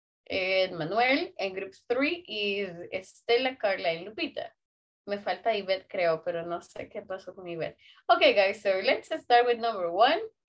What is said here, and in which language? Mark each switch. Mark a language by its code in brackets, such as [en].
[en] And Manuel, and group three is Estela, Carla, and Lupita. [es] Me falta Ivette, creo, pero no sé qué pasó con Ivette. [en] Okay, guys, so let's start with number one.